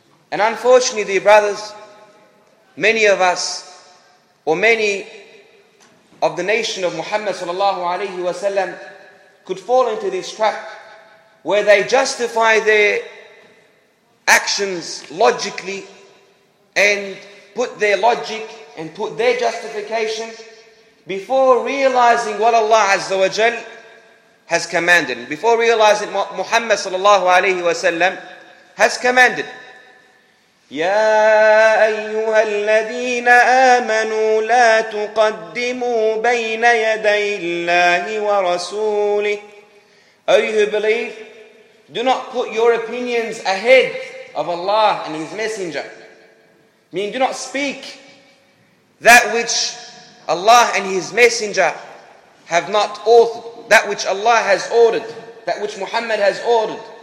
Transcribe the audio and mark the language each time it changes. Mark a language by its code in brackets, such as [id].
[en] And unfortunately, dear brothers, many of us, or many of the nation of Muhammad [ar] sallallahu alayhi wa sallam, [en] could fall into this trap where they justify their actions logically and put their logic and put their justification before realizing what Allah [ar] Azza wa Jal [en] has commanded, before realizing what Muhammad sallallahu alayhi wa sallam has commanded. [ar] يا أيها الذين آمنوا لا تقدموا بين يدي الله ورسوله. [en] O you who believe, do not put your opinions ahead of Allah and His Messenger. Meaning, do not speak that which Allah and His Messenger have not authored, that which Allah has ordered, that which Muhammad has ordered.